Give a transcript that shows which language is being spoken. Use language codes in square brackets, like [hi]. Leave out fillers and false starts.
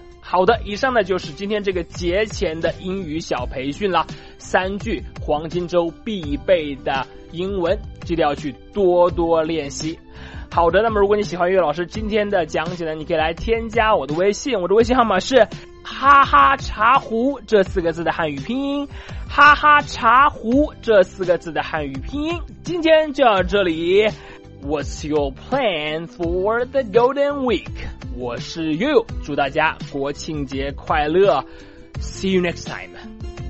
[zh] 好的，以上呢就是今天这个节前的英语小培训了。三句黄金周必备的英文，记得要去多多练习。好的，那么如果你喜欢悠悠老师今天的讲解呢，你可以来添加我的微信，我的微信号码是哈哈茶壶这四个字的汉语拼音，哈哈茶壶这四个字的汉语拼音。今天就到这里。 [en] What's your plan for the Golden Week? [zh] 我是悠悠，祝大家国庆节快乐， [en] See you next time.